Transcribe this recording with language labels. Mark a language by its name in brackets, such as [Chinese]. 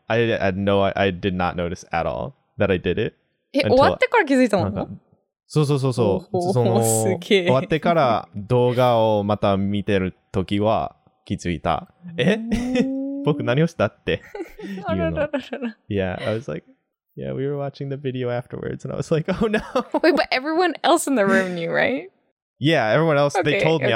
[English] I did not notice at all that I did it. [Japanese] 終わってから気づいたの？そうそうそうそう。その終わってから動画をまた見てる時は気づいた。え？僕何をしたって言うの。 [English] Yeah, I was like,Yeah, we were watching the video afterwards, and I was like, oh no. Wait, but everyone else in the room knew, right? Yeah, everyone else, okay, they told me. Okay.